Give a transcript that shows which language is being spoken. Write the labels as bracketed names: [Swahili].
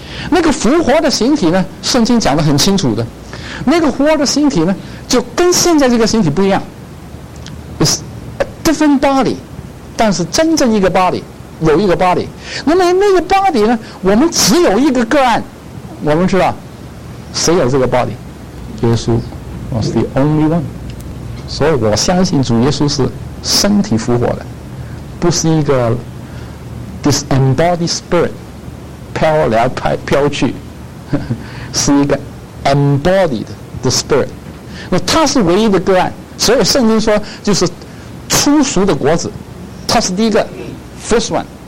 [Chinese] 那个复活的形体呢，圣经讲得很清楚的，那个复活的形体呢就跟现在这个形体不一样， [English] It's a different body， [Chinese] 但是真正一个 body， 有一个 body。那么那个 body 呢，我们只有一个个案，我们知道谁有这个 body？ [English] 耶稣 was the only one。 [Chinese] 所以我相信主耶稣是身体复活的，不是一个 [English] disembodied spirit [Chinese] 飘来飘去，是一个 embodied 的 spirit。那他是唯一的个案，所以圣经说就是出俗的果子，他是第一个 [English] first one。